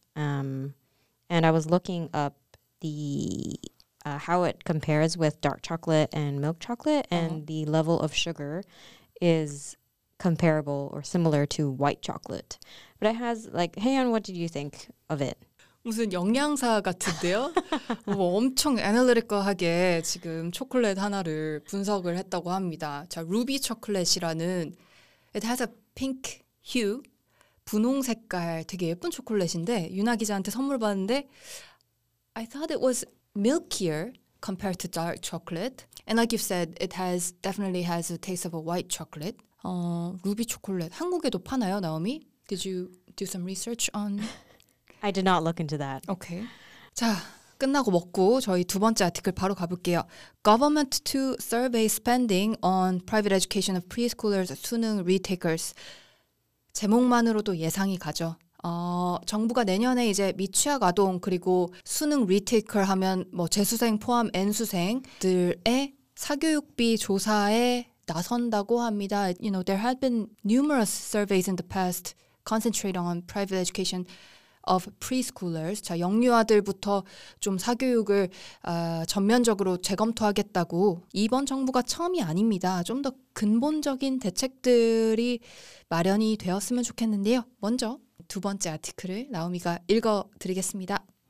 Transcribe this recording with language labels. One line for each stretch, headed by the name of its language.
English: And I was looking up the how it compares with dark chocolate and milk chocolate, and uh-huh. the level of sugar is comparable or similar to white chocolate. But it has, like, Haeyeon, what did you think of it?
Korean: 무슨 영양사 같은데요? 뭐 엄청 애널리컬하게 지금 초콜릿 하나를 분석을 했다고 합니다. 자, 루비 초콜릿이라는
English: It has a pink hue,
Korean: 분홍 색깔 되게 예쁜 초콜릿인데 유나 기자한테 선물 받는데
English: I thought it was milkier compared to dark chocolate. And like you said, it has definitely has a taste of a white chocolate.
Korean: 루비 초콜릿, 한국에도 파나요, 나오미?
English: Did you do some research on... I did not look into that. Okay.
Korean: 자, 끝나고 먹고 저희 두 번째 아티클 바로 가볼게요.
English: Government to survey spending on private education of preschoolers, 수능 retakers.
Korean: 제목만으로도 예상이 가죠. 정부가 내년에 이제 미취학 아동 그리고 수능 리테이커 하면 뭐 재수생 포함 N수생들의 사교육비 조사에 나선다고 합니다.
English: You know, there have been numerous surveys in the past concentrated on private education of preschoolers.
Korean: 자, 영유아들부터 좀 사교육을 전면적으로 재검토하겠다고 이번 정부가 처음이 아닙니다. 좀 더 근본적인 대책들이 마련이 되었으면 좋겠는데요. 먼저 두 번째 아티클을 나오미가 읽어드리겠습니다.